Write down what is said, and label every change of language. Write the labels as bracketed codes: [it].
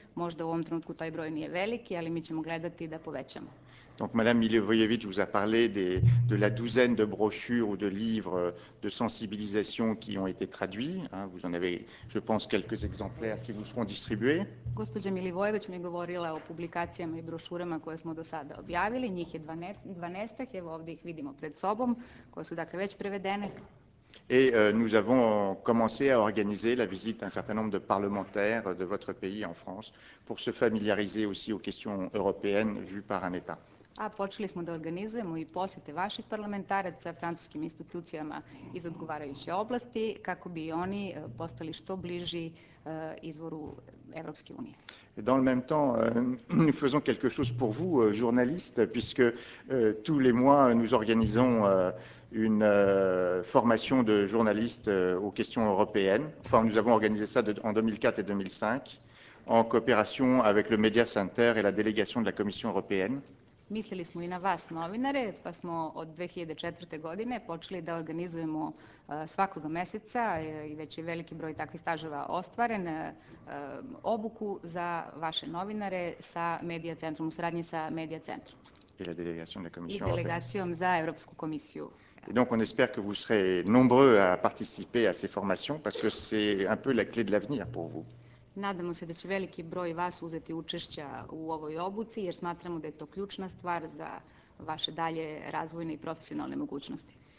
[sr] Možda u ovom trenutku taj broj nije veliki, ali mi ćemo gledati da povećamo. [fr] Donc, Madame Milivojević vous a parlé de la douzaine de brochures ou de livres de sensibilisation qui ont été traduits. Hein, vous en avez, je pense, quelques exemplaires qui vous seront distribués. [sr] Gospođa Milivojević mi je govorila o publikacijama i brošurama koje smo do sada objavili. Njih je 12, evo ovde ih vidimo pred sobom, koje su dakle već prevedene. [fr] Et nous avons commencé à organiser la visite d'un certain nombre de parlementaires de votre pays en France pour se familiariser aussi aux questions européennes vues par un État. [sr] A počeli smo da organizujemo i posete vaših parlamentaraca francuskim institucijama iz odgovarajuće oblasti kako bi oni postali što bliži izvoru Evropske unije. [fr] Dans le même temps, nous faisons quelque chose pour vous, journalistes, puisque tous les mois, nous organisons une formation de journalistes aux questions européennes. Enfin, nous avons organisé ça en 2004 et 2005, en coopération avec le Media Center et la délégation de la Commission européenne. [sr] Mislili smo i na vas, novinare, pa smo od 2004. godine počeli da organizujemo svakoga meseca, i već je veliki broj takvih stažova ostvaren, obuku za vaše novinare sa Media Centrum, u saradnji sa Media Centrum. [fr] Et la délégation de la Commission [sr] i delegacijom za Evropsku komisiju. [fr] Et donc on espère que vous serez nombreux à participer à ces formations, parce que c'est un peu la clé de l'avenir pour vous. [sr] Nadamo se da će veliki broj vas uzeti učešća u ovoj obuci, jer smatramo da je to ključna stvar za vaše dalje razvojne i profesionalne mogućnosti.